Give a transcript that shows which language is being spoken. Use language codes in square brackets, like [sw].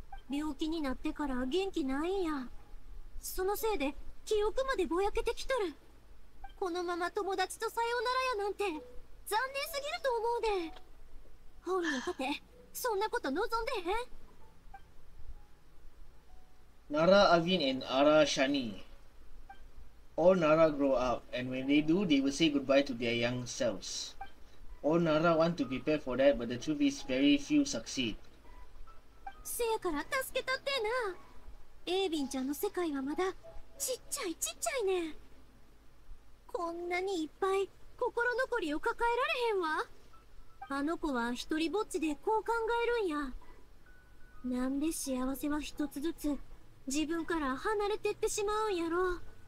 [ja] 病気になってから元気ないんや。そのせいで、記憶までぼやけてきとる。このまま友達とさようならやなんて、残念すぎると思うで。ほんのかて、そんなこと望んでへん。 [en] ナラアビン and アラシャニAll Nara grow up, and when they do, they will say goodbye to their young selves. All Nara want to prepare for that, but the truth is very few succeed. [ja] せやから助けたってな。エイビンちゃんの世界はまだちっちゃいちっちゃいね。こんなにいっぱい心残りを抱えられへんわ。あの子は一人ぼっちでこう考えるんや。なんで幸せは一つずつ自分から離れてってしまうんやろ。